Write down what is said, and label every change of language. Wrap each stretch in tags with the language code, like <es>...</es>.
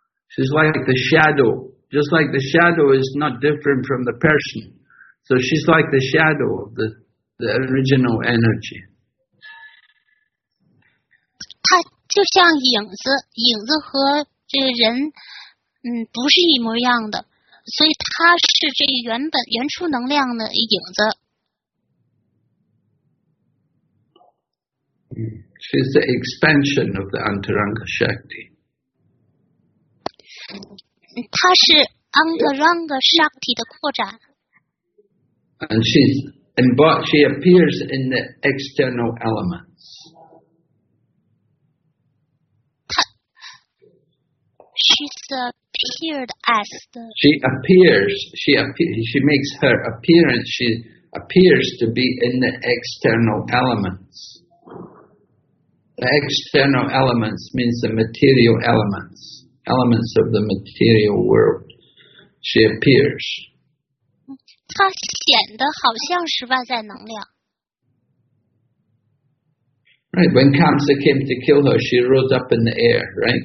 <en>She's like the shadow, just like the shadow is not different from the person. So she's like the shadow of the original energy.</en> <zh>它就像影子和这个人，不是一模一样的，所以它是这原本原初能量的影子。</zh> <en>She's the expansion of the Antaranga Shakti.</en> <zh>她是 Antaranga Shakti 的扩展。</zh> <en>And she's embodied, she appears in the external elements.</en> <zh>她</zh> <en>She's appeared as the... She makes her appearance, she appears to be in the external elements. The external elements means the material elements, elements of the material world. She appears.</en> <zh>她显得好像是外在能量。</zh> <en>Right, when Kamsa came to kill her, she rose up in the air, right?</en>